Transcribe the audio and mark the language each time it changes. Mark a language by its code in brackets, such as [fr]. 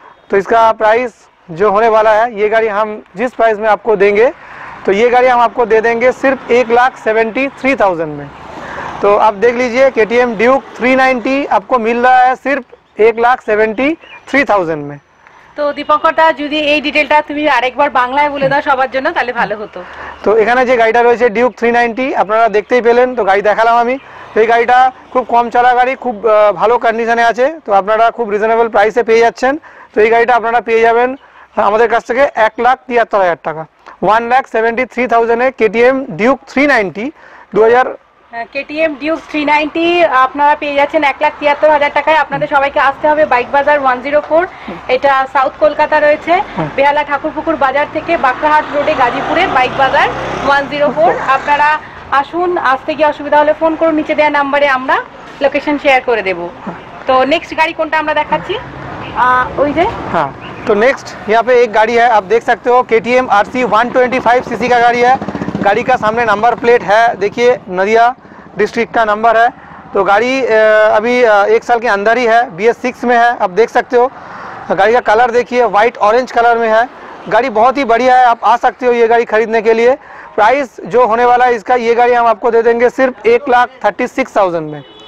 [hi] तो इसका प्राइस जो होने वाला है, ये गाड़ी हम जिस प्राइस में आपको देंगे, तो ये गाड़ी हम आपको दे देंगे सिर्फ 1,73,000 में। तो आप देख लीजिए KTM ड्यूक 390 आपको मिल रहा है सिर्फ 1,73,000 में। [bn] তো দীপকটা যদি এই ডিটেইলটা তুমি আরেকবার বাংলায় বলে দাও সবার জন্য, তাহলে ভালো হতো। তো এখানে যে গাড়িটা রয়েছে ডিউক 390, আপনারা দেখতেই পেলেন, তো গাড়ি দেখালাম আমি। এই গাড়িটা খুব কম চলা গাড়ি, খুব ভালো কন্ডিশনে আছে। তো আপনারা খুব রিজনেবল প্রাইসে পেয়ে যাচ্ছেন। তো এই গাড়িটা আপনারা পেয়ে যাবেন আমাদের কাছ থেকে 1,73,000 টাকা, 1,73,000 এ KTM ডিউক 390 KTM ডিউক 390 আপনারা পেয়ে যাচ্ছেন 1,73,000 টাকায়। আপনাদের সবাইকে আসতে হবে বাইক বাজার 104, এটা সাউথ কলকাতা রয়েছে, বেহালা ঠাকুরপুকুর বাজার থেকে বাঁকড়াহাট রোডে গাজীপুরে বাইক বাজার 104। আপনারা আসুন, আসতে গিয়ে অসুবিধা হলে ফোন করুন, নিচে দেওয়া নাম্বারে আমরা লোকেশন শেয়ার করে দেব। তো নেক্সট গাড়ি কোনটা আমরা দেখাচ্ছি, ওই যে হ্যাঁ। [hi] তো নেক্সট ইয়া পে এক গাড়ি হ্যায়, আপ দেখ সকতে হো KTM RC 125 CC কা গাড়ি হ্যায়। गाड़ी का सामने नंबर प्लेट है, देखिए नदिया डिस्ट्रिक्ट का नंबर है। तो गाड़ी अभी 1 साल के अंदर ही है, BS6 में है आप देख सकते हो। गाड़ी का कलर देखिए, वाइट ऑरेंज कलर में है। गाड़ी बहुत ही बढ़िया है, आप आ सकते हो ये गाड़ी खरीदने के लिए। प्राइस जो होने वाला है इसका, ये गाड़ी हम आपको दे देंगे सिर्फ 1,36,000 में।